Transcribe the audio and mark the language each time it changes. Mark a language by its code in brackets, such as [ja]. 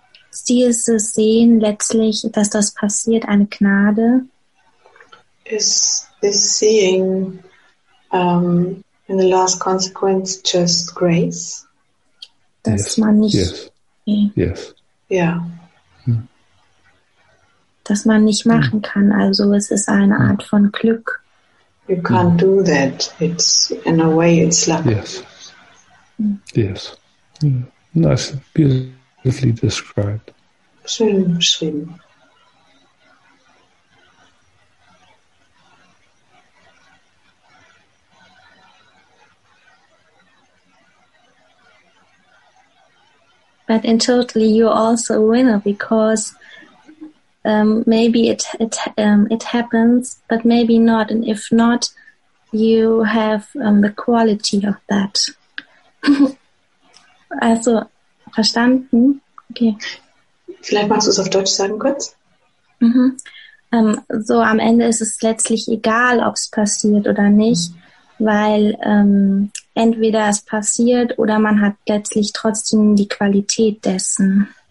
[de] Sie ist das Sehen letztlich, dass das passiert, eine Gnade? [en] Is seeing in the last consequence just grace? [de] Dass [en] yes. [de] Man nicht [en] yes. Yes. Yeah. [de] Dass man nicht machen kann, also es ist eine Art von Glück. [en] You can't do that. It's in a way it's luck. Yes. Yes. Nice, beautifully described. [de] Schön beschrieben. [en] But in totally you're also a winner because maybe it happens, but maybe not, and if not, you have the quality of that. [de] Also verstanden? Okay. Vielleicht magst du es auf Deutsch sagen kurz. Mhm. So am Ende ist es letztlich egal, ob es passiert oder nicht, weil entweder es passiert oder man hat letztlich trotzdem die Qualität dessen.